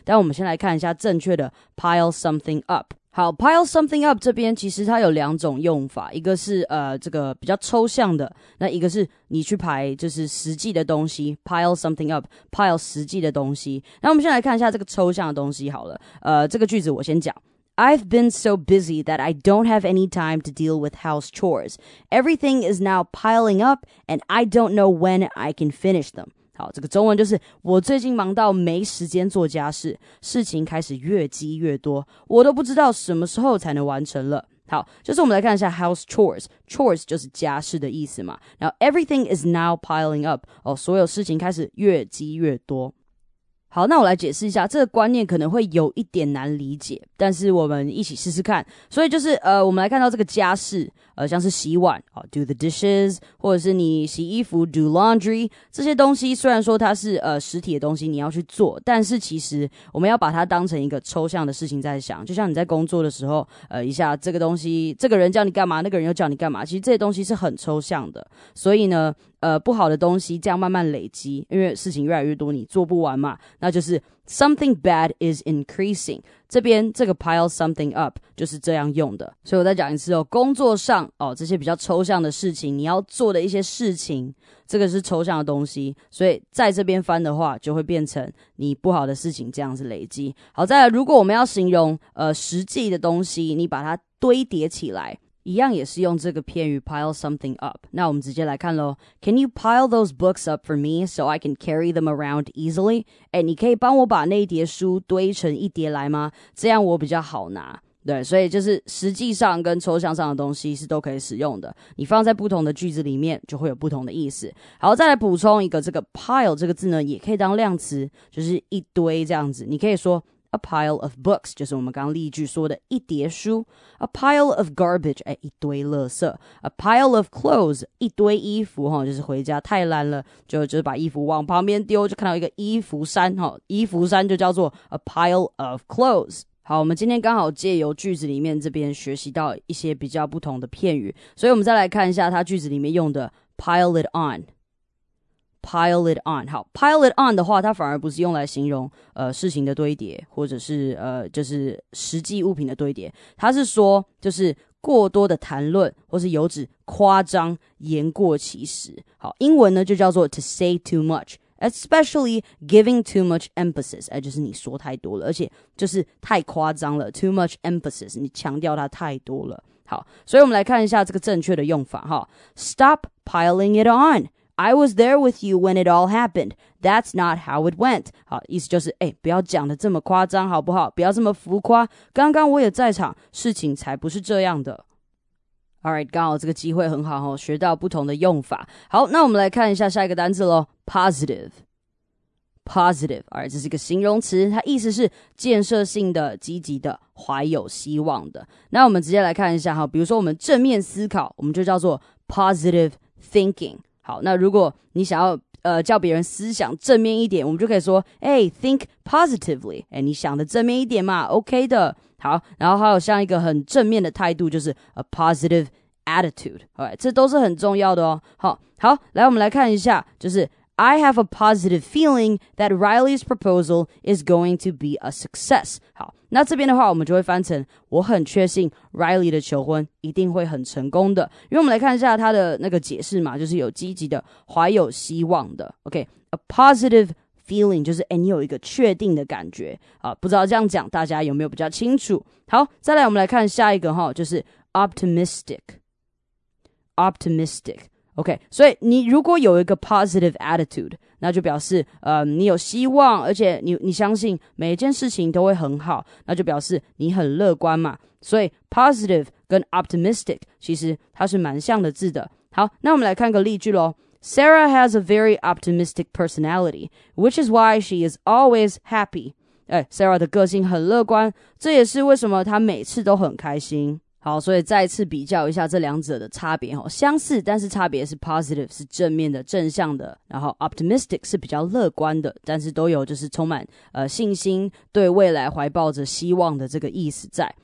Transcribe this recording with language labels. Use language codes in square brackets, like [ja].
[zh] 但我们先来看一下正确的 pile something up。好， pile something up 这边其实它有两种用法，一个是这个比较抽象的，那一个是你去排就是实际的东西， pile something up， pile 实际的东西。那我们先来看一下这个抽象的东西好了，这个句子我先讲。 [en] I've been so busy that I don't have any time to deal with house chores. Everything is now piling up and I don't know when I can finish them. [zh] 好，这个中文就是我最近忙到没时间做家事，事情开始越积越多，我都不知道什么时候才能完成了。好，就是我们来看一下 house chores. Chores 就是家事的意思嘛。 [en] Now, everything is now piling up. [zh] 哦，所有事情开始越积越多。好，那我来解释一下，这个观念可能会有一点难理解，但是我们一起试试看。所以就是我们来看到这个家事，像是洗碗do the dishes, 或者是你洗衣服 do laundry, 这些东西虽然说它是实体的东西你要去做，但是其实我们要把它当成一个抽象的事情在想，就像你在工作的时候一下这个东西，这个人叫你干嘛，那个人又叫你干嘛，其实这些东西是很抽象的。所以呢不好的东西这样慢慢累积，因为事情越来越多你做不完嘛，那就是 [en] something bad is increasing。 [zh] 这边这个 pile something up 就是这样用的。所以我再讲一次哦，工作上哦这些比较抽象的事情，你要做的一些事情，这个是抽象的东西，所以在这边翻的话就会变成你不好的事情这样子累积。好，再来，如果我们要形容实际的东西，你把它堆叠起来，一样也是用这个片语 pile something up。那我们直接来看咯， [en] Can you pile those books up for me so I can carry them around easily? [zh] 诶，你可以帮我把那叠书堆成一叠来吗？这样我比较好拿。对，所以就是实际上跟抽象上的东西是都可以使用的，你放在不同的句子里面就会有不同的意思。好，再来补充一个，这个 pile 这个字呢也可以当量词，就是一堆这样子。你可以说A pile of books, 就是我们刚刚例句说的一叠书。 A pile of garbage, 一堆垃圾。 A pile of clothes, 一堆衣服，就是回家太烂了，就把衣服往旁边丢，就看到一个衣服山，衣服山就叫做 a pile of clothes。好，我们今天刚好借由句子里面这边学习到一些比较不同的片语，所以我们再来看一下它句子里面用的 pile it on。 [en] Pile it on. [zh] 好， pile it on 的话它反而不是用来形容事情的堆叠，或者是就是实际物品的堆叠，它是说就是过多的谈论，或是有指夸张言过其实。好，英文呢就叫做 [en] to say too much, especially giving too much emphasis, [zh] 就是你说太多了，而且就是太夸张了， too much emphasis, 你强调它太多了。好，所以我们来看一下这个正确的用法。 [en] 好， Stop piling it onI was there with you when it all happened. That's not how it went. [zh] 好，意思就是，不要讲得这么夸张好不好？不要这么浮夸。刚刚我也在场，事情才不是这样的。Alright, 刚好这个机会很好，学到不同的用法。好，那我们来看一下下一个单字咯。 [en] Positive. Positive. [zh] Alright, 这是一个形容词，它意思是建设性的、积极的、怀有希望的。那我们直接来看一下，比如说我们正面思考，我们就叫做 positive thinking. 好，那如果你想要叫别人思想正面一点，我们就可以说 [en] Hey, think positively. [zh] 你想的正面一点嘛， OK 的。好，然后还有像一个很正面的态度，就是 a positive attitude. Alright, 这都是很重要的哦。好，好，来我们来看一下，就是 [en] I have a positive feeling that Riley's proposal is going to be a success. [zh] 好，那这边的话我们就会翻成我很确信 Riley 的求婚一定会很成功的，因为我们来看一下他的那个解释嘛，就是有积极的、怀有希望的。 OK, a positive feeling 就是你有一个确定的感觉啊，不知道这样讲大家有没有比较清楚。好，再来我们来看下一个哈，就是 optimistic, optimistic。 OK, 所以你如果有一个 positive attitude,那就表示你有希望，而且你相信每一件事情都会很好，那就表示你很乐观嘛。所以 positive 跟 optimistic 其实它是蛮像的字的。好，那我们来看个例句咯。 [en] Sarah has a very optimistic personality, which is why she is always happy. [zh] Sarah 的个性很乐观，这也是为什么她每次都很开心。好，所以再次比较一下这两者的差别，相似但是差别是 positive 是正面的、正向的，然后 optimistic 是比较乐观的，但是都有就是充满信心，对未来怀抱着希望的这个意思在。